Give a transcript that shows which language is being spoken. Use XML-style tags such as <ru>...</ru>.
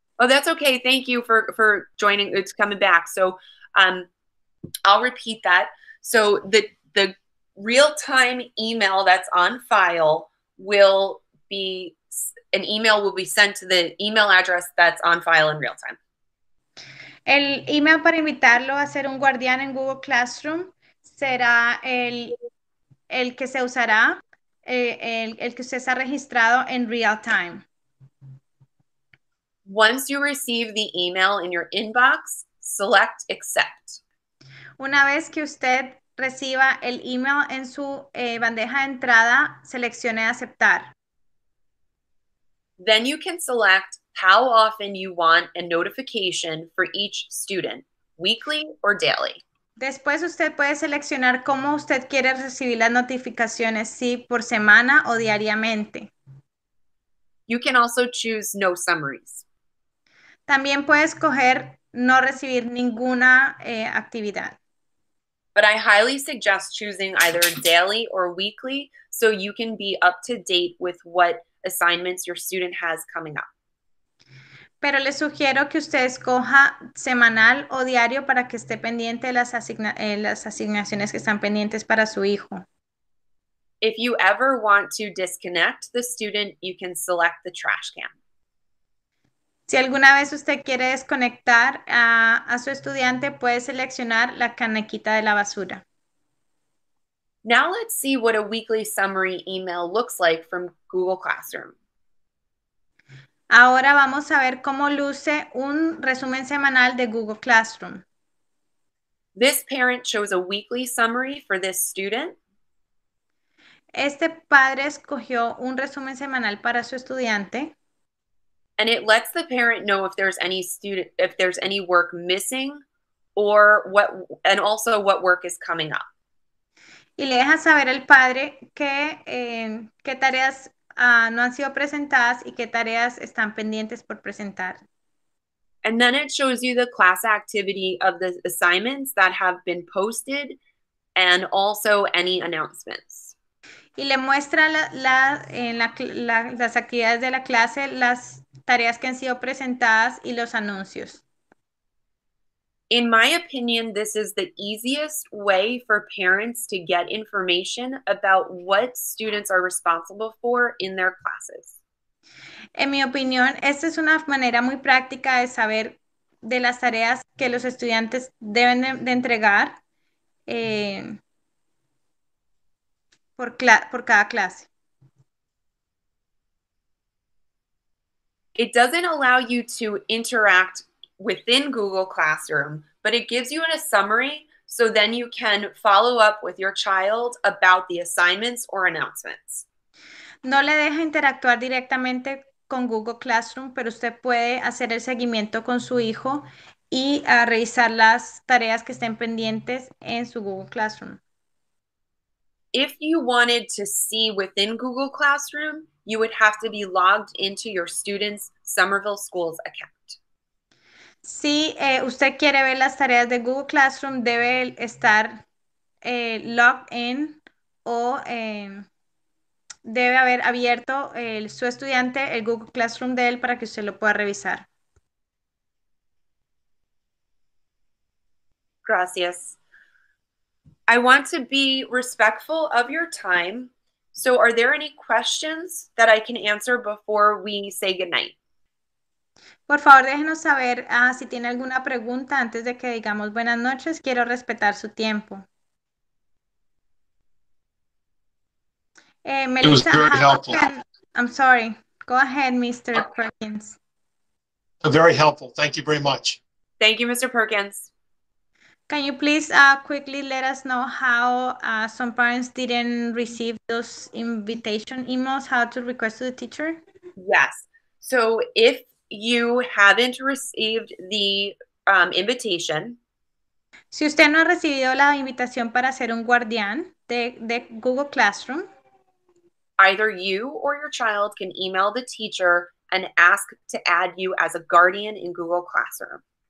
<en>Oh, that's okay. Thank you for joining. It's coming back. So I'll repeat that. So the real-time email that's on file will be an email will be sent to the email address that's on file in real time.</en> <es>El email para invitarlo a ser un guardián en Google Classroom será el que se usará, el que usted está registrado en real time.</es> <en>Once you receive the email in your inbox, select accept.</en> <es>Una vez que usted reciba el email en su bandeja de entrada, seleccione aceptar.</es> <en>Then you can select how often you want a notification for each student, weekly or daily.</en> <es>Después usted puede seleccionar cómo usted quiere recibir las notificaciones, si por semana o diariamente.</es> <en>You can also choose no summaries.</en> <es>También puede escoger no recibir ninguna actividad.</es> <en>But I highly suggest choosing either daily or weekly so you can be up to date with what assignments your student has coming up.</en> <es>Pero le sugiero que usted escoja semanal o diario para que esté pendiente de las asignaciones que están pendientes para su hijo.</es> <en>If you ever want to disconnect the student, you can select the trash can.</en> <es>Si alguna vez usted quiere desconectar a su estudiante, puede seleccionar la canequita de la basura.</es> <en>Now let's see what a weekly summary email looks like from Google Classroom.</en> <es>Ahora vamos a ver cómo luce un resumen semanal de Google Classroom.</es> <en>This parent chose a weekly summary for this student.</en> <es>Este padre escogió un resumen semanal para su estudiante.</es> <en>And it lets the parent know if there's any student, if there's any work missing, or what, and also what work is coming up.</en> <es>Y le deja saber al padre qué tareas no han sido presentadas y qué tareas están pendientes por presentar.</es> <en>And then it shows you the class activity of the assignments that have been posted and also any announcements.</en> <es>Y le muestra las actividades de la clase, las tareas que han sido presentadas y los anuncios.</es> <en>In my opinion, this is the easiest way for parents to get information about what students are responsible for in their classes.</en> <es>En mi opinión, esta es una manera muy práctica de saber de las tareas que los estudiantes deben de entregar por cada clase.</es> <en>It doesn't allow you to interact within Google Classroom, but it gives you a summary so then you can follow up with your child about the assignments or announcements.</en> <es>No le deja interactuar directamente con Google Classroom, pero usted puede hacer el seguimiento con su hijo y revisar las tareas que estén pendientes en su Google Classroom.</es> <en>If you wanted to see within Google Classroom, you would have to be logged into your student's Somerville Schools account.</en> <es>Si usted quiere ver las tareas de Google Classroom, debe estar</es> <en>logged in</en> <es>o debe haber abierto su estudiante el Google Classroom de él para que usted lo pueda revisar. Gracias.</es> <en>I want to be respectful of your time. So are there any questions that I can answer before we say goodnight?</en> <es>Por favor, déjenos saber si tiene alguna pregunta antes de que digamos buenas noches. Quiero respetar su tiempo.</es> <en>Melissa, it was very helpful. I'm sorry. Go ahead, Mr. Perkins. Very helpful. Thank you very much. Thank you, Mr. Perkins. Can you please quickly let us know how some parents didn't receive those invitation emails, how to request to the teacher? Yes. So if you haven't received the invitation.</en> <es>Si usted no ha recibido la invitación para ser un guardián de Google Classroom.</es> <en>Either you or your child can email the teacher and ask to add you as a guardian in Google Classroom.</en>